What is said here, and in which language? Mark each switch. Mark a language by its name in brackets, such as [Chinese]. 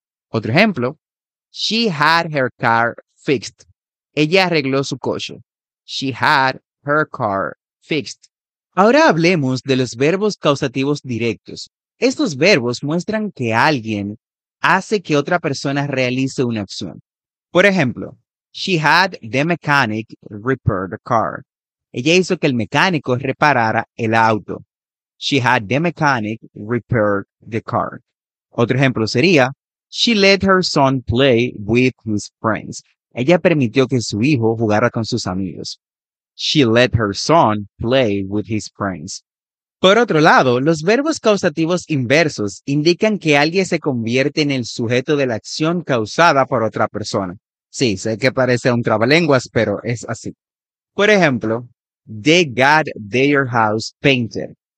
[Spanish] Otro ejemplo: [English] She had her car fixed. [Spanish] Ella arregló su coche. [English] She had her car fixed. [Spanish] Ahora hablemos de los verbos causativos directos. Estos verbos muestran que alguien hace que otra persona realice una acción. Por ejemplo, [English] she had the mechanic repair the car. [Spanish] Ella hizo que el mecánico reparara el auto. [English] She had the mechanic repair the car. [Spanish] Otro ejemplo sería, [English] she let her son play with his friends. [Spanish] Ella permitió que su hijo jugara con sus amigos. [English] She let her son play with his friends. [Spanish] Por otro lado, los verbos causativos inversos indican que alguien se convierte en el sujeto de la acción causada por otra persona. Sí, sé que parece un trabalenguas, pero es así. Por ejemplo, [English] they got their house painted.